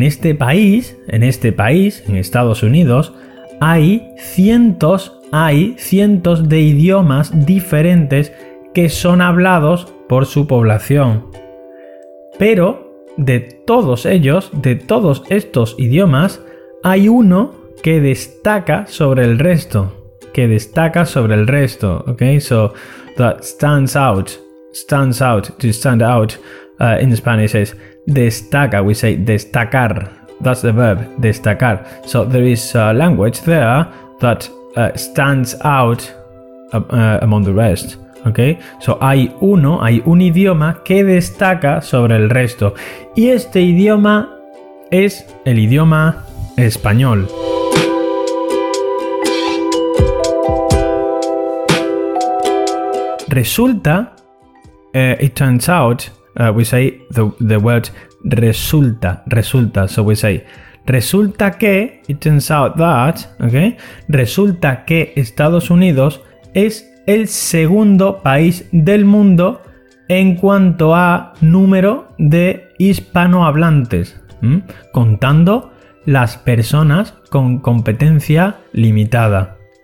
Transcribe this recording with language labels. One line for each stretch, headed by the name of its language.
Spanish: En este país, en Estados Unidos, hay cientos de idiomas diferentes que son hablados por su población. Pero de todos estos idiomas, hay uno que destaca sobre el resto.
English: Ok, so that stands out, to stand out in Spanish is destaca, we say destacar, that's the verb, destacar. So there is a language there that stands out among the rest, ok.
Spanish: So hay un idioma que destaca sobre el resto, y este idioma es el idioma español. Resulta,
English: it turns out, we say the word resulta, so we say,
Spanish: resulta que,
English: it turns out that,
Spanish: okay, resulta que Estados Unidos es el segundo país del mundo en cuanto a número de hispanohablantes, contando las personas con competencia limitada.